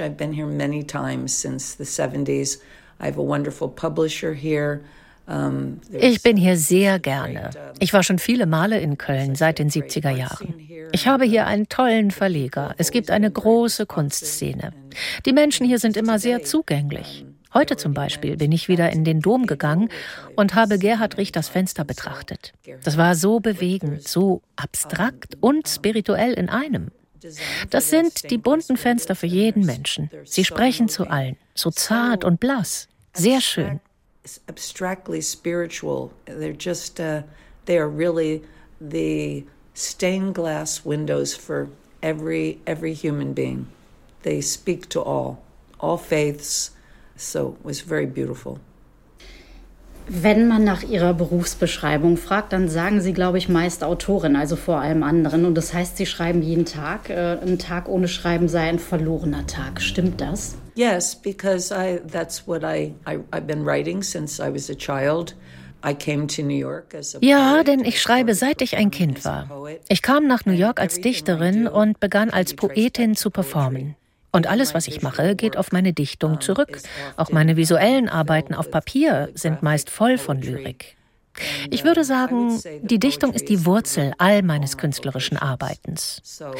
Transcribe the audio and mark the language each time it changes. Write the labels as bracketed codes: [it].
[en] I've been here many times since the 70s. I have a wonderful publisher here. [de] Ich bin hier sehr gerne. Ich war schon viele Male in Köln seit den 70er Jahren. Ich habe hier einen tollen Verleger. Es gibt eine große Kunstszene. Die Menschen hier sind immer sehr zugänglich. Heute zum Beispiel bin ich wieder in den Dom gegangen und habe Gerhard Richters Fenster betrachtet. Das war so bewegend, so abstrakt und spirituell in einem. Das sind die bunten Fenster für jeden Menschen. Sie sprechen zu allen, so zart und blass, sehr schön. [en] Abstractly spiritual. They're just, they are really the stained glass windows for every human being. They speak to all faiths. So it was very beautiful. [de] Wenn man nach Ihrer Berufsbeschreibung fragt, dann sagen Sie, glaube ich, meist Autorin, also vor allem anderen. Und das heißt, Sie schreiben jeden Tag. Ein Tag ohne Schreiben sei ein verlorener Tag. Stimmt das? [en] Yes, because I've been writing since I was a child. I came to New York as a poet. [de] Ja, denn ich schreibe, seit ich ein Kind war. Ich kam nach New York als Dichterin und begann als Poetin zu performen. Und alles, was ich mache, geht auf meine Dichtung zurück. Auch meine visuellen Arbeiten auf Papier sind meist voll von Lyrik. Ich würde sagen, die Dichtung ist die Wurzel all meines künstlerischen Arbeitens.